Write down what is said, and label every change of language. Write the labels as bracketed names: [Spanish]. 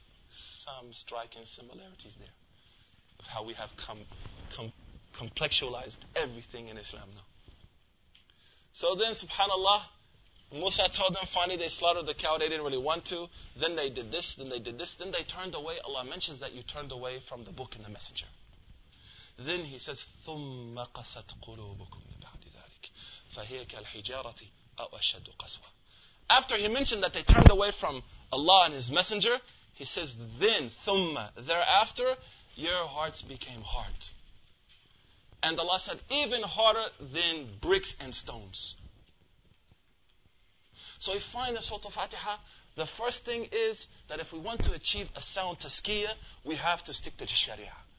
[English] Some striking similarities there of how we have complexualized everything in Islam now. So then, subhanAllah, Musa told them, finally they slaughtered the cow. They didn't really want to. Then they did this. Then they did this. Then they turned away. Allah mentions that you turned away from the book and the messenger. Then he says, [Arabic] ثُمَّ قَسَتْ قُلُوبُكُمْ بَعْدِ ذَلِكَ فَهِيَكَ الْحِجَارَةِ أَوْ أَشَدُّ قَسْوَةً. [English] After he mentioned that they turned away from Allah and his messenger, he says, then, ثُمَّ, thereafter, your hearts became hard. And Allah said, even harder than bricks and stones. So we find in Surah Al-Fatiha, the first thing is that if we want to achieve a sound tazkiyah, we have to stick to the Sharia.